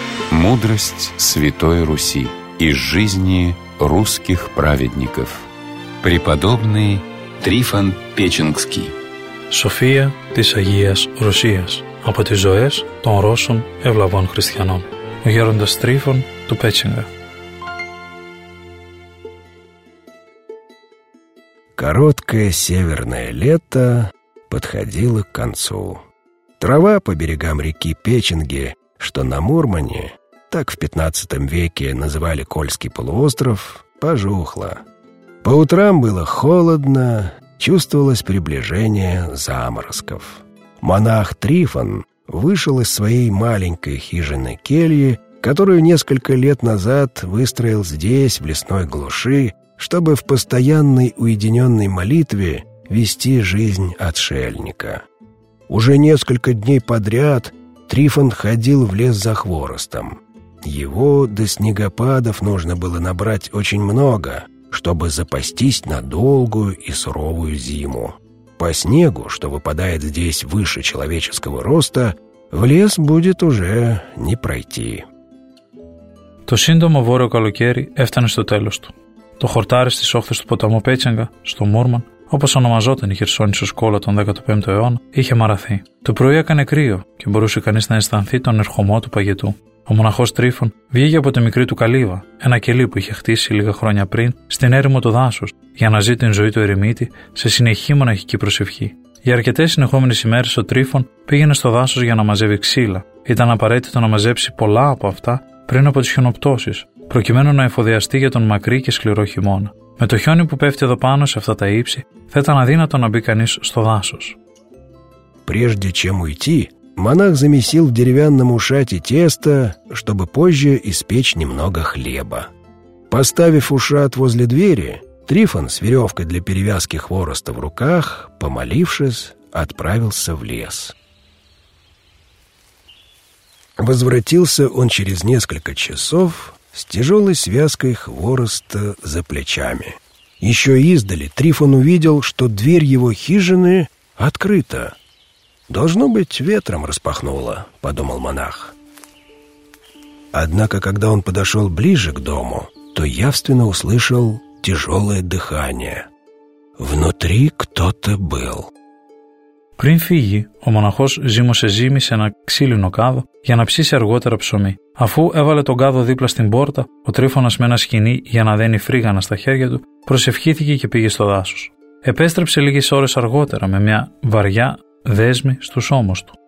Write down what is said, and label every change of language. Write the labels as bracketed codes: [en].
[ru] Мудрость Святой Руси из жизни русских праведников. Преподобный Трифон Печенский. [el] София της Агίας Ρωσίας. Από τις ζωές των Ρώσων ευλαβών χριστιανών. Ο γέροντας Τρίφων του Πέτσιγκα. [ru] Короткое северное лето подходило к концу. Трава по берегам реки Печенги, что на Мурмане, так в 15 веке называли Кольский полуостров, пожухла. По утрам было холодно, чувствовалось приближение заморозков. Монах Трифон вышел из своей маленькой хижины-кельи, которую несколько лет назад выстроил здесь, в лесной глуши, чтобы в постоянной уединенной молитве вести жизнь отшельника. Уже несколько дней подряд Трифон ходил в лес за хворостом. Его до снегопадов нужно было набрать очень много, чтобы запастись на долгую и суровую зиму. По снегу, что выпадает здесь выше человеческого роста, в лес будет уже не пройти. [el] Το σύντομο βόρειο καλοκαίρι έφτανε στο τέλος του. Το χορτάρι στις όχθες του ποταμού Πέτσιγκα, στο Μούρμαν, όπως ονομαζόταν η Χερσόνησος Κόλα τον 15ο αιώνα, είχε μαραθεί. Το πρωί έκανε κρύο και μπορούσε κανείς να αισθανθεί τον ερχομό του παγετού. Ο μοναχός Τρίφων βγήκε από τη μικρή του καλύβα, ένα κελί που είχε χτίσει λίγα χρόνια πριν στην έρημο του δάσους, για να ζει την ζωή του ερημίτη σε συνεχή μοναχική προσευχή. Για αρκετές συνεχόμενες ημέρες ο Τρίφων πήγαινε στο δάσος για να μαζεύει ξύλα. Ήταν απαραίτητο να μαζέψει πολλά από αυτά πριν από τις χιονοπτώσεις, προκειμένου να εφοδιαστεί για τον μακρύ και σκληρό χειμώνα. Με το χιόνι που πέφτει εδώ πάνω σε αυτά τα ύψη, θα ήταν αδύνατο να μπει κανείς στο δάσος. [ru] Прежде чем уйти, монах замесил в деревянном ушате тесто, чтобы позже испечь немного хлеба. Поставив ушат возле двери, Трифон с веревкой для перевязки хвороста в руках, помолившись, отправился в лес. Возвратился он через несколько часов с тяжелой связкой хвороста за плечами. Еще издали Трифон увидел, что дверь его хижины открыта. «Должно быть, ветром распахнуло», — подумал монах. Однако, когда он подошел ближе к дому, то явственно услышал тяжелое дыхание. Внутри кто-то был. [el] Πριν φύγει, ο μοναχός ζύμωσε ζύμη σε ένα ξύλινο κάδο για να ψήσει αργότερα ψωμί. Αφού έβαλε τον κάδο δίπλα στην πόρτα, ο Τρίφωνας με ένα σκηνί για να δένει φρύγανα στα χέρια του, προσευχήθηκε και πήγε στο δάσος. Επέστρεψε λίγες ώρες αργότερα με μια βαριά δέσμη στους ώμους του.